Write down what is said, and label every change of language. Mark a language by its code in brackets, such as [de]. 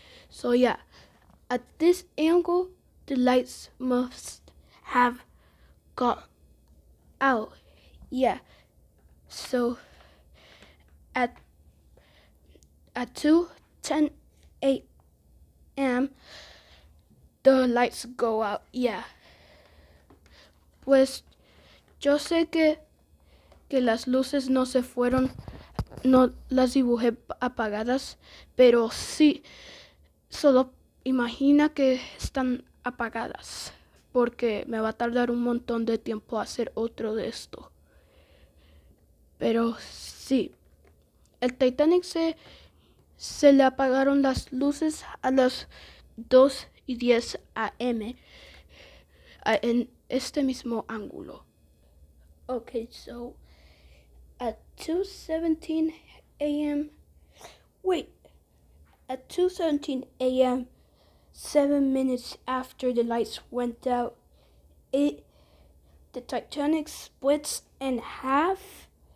[en] So yeah, at this angle, the lights must have got out. Yeah, so at 2:10 a.m., the lights go out, yeah. [es] Pues, yo sé que las luces no se fueron, no las dibujé apagadas, pero sí, solo imagina que están apagadas, porque me va a tardar un montón de tiempo hacer otro de esto. Pero sí, el Titanic se le apagaron las luces a las 2:10 a.m. en este mismo ángulo. [en] Okay, so at 2:17 a.m., wait, at 2:17 a.m., 7 minutes after the lights went out, the Titanic splits in half.